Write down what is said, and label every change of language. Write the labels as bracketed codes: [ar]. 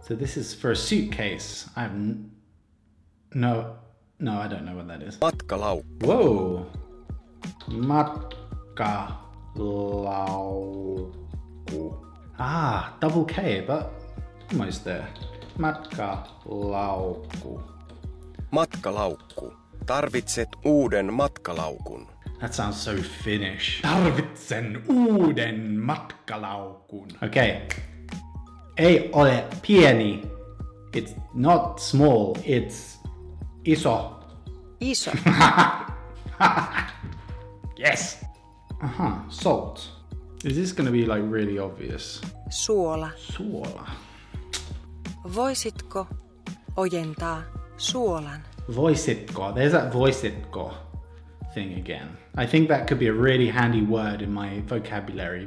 [en] So this is for a suitcase. No, I don't know what that is. [fi] Matkalau. Whoa. Matkalau. Laukku. [en] Ah, double K, but almost there. [fi] Matkalaukku. Matkalaukku. Tarvitset uuden matkalaukun. [en] That sounds so Finnish. [fi] Tarvitsen uuden matkalaukun. Okay. Ei ole pieni. [en] It's not small. It's iso. [fi] Iso. [en] Yes. Uh-huh, salt. Is this gonna be like really obvious? [fi] Suola. Suola. Voisitko ojentaa suolan? Voisitko. [en] There's that voisitko thing again. I think that could be a really handy word in my vocabulary.